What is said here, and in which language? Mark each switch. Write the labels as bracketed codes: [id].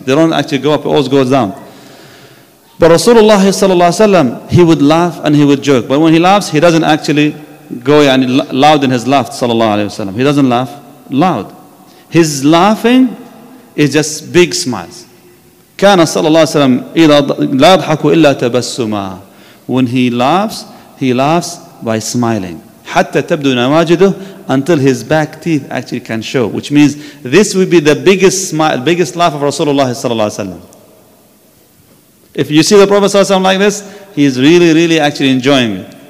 [en] They don't actually go up, it always goes down. But Rasulullah sallallahu alayhi wa sallam, he would laugh and he would joke. But when he laughs, he doesn't actually go loud in his laugh, sallallahu alayhi wa sallam. He doesn't laugh loud. His laughing is just big smiles. [ar] كان صلى الله عليه وسلم لا يضحك إلا تبسما. [en] When he laughs by smiling. [ar] حتى تبدو نواجده, [en] until his back teeth actually can show. Which means this would be the biggest smile, biggest laugh of Rasulullah صلى الله عليه وسلم. If you see the Prophet صلى الله عليه وسلم like this, he is really, really actually enjoying it.